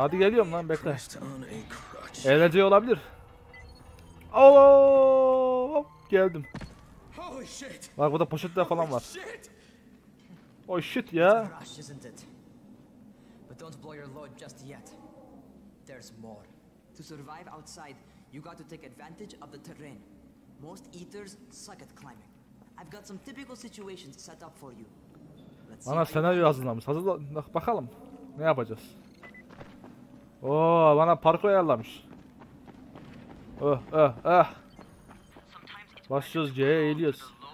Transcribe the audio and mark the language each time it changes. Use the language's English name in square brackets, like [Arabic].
[Turkish] Hadi geliyorum lan, bekle. Eğlence olabilir. Oooo! Geldim. Bak burada poşetler falan var. [English] Oh shit ya. But don't blow your load just yet. There's more. To survive outside, you got to take advantage of the terrain. Most eaters suck at climbing. I've got some typical situations set up for you. [Turkish] Bana senaryo hazırlamış. Hazırla bakalım. Ne yapacağız? Oo, bana parkur ayarlamış. Oh. Başlıyoruz C'ye eğiliyoruz.